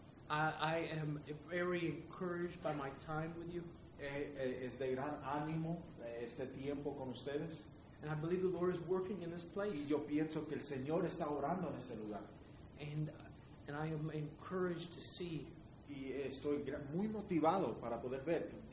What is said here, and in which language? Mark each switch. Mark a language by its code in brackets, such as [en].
[en] I am very encouraged by my time with you. [es] Es de gran ánimo este tiempo con ustedes. [en] And I believe the Lord is working in this place. [es] Y yo pienso que el Señor está orando en este lugar. [en] And I am encouraged to see. [es] Y estoy muy motivado para poder ver